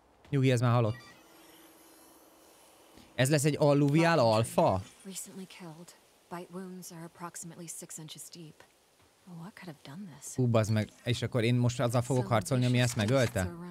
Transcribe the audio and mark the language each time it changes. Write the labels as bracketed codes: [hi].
[hu] Nyugi, ez már halott. Ez lesz egy alluvial alfa? [en] Recently killed. Bite wounds are approximately 6 inches deep. What could have done this? [hu] Hú, bazd meg. És akkor én most azzal fogok harcolni, ami ezt megölte?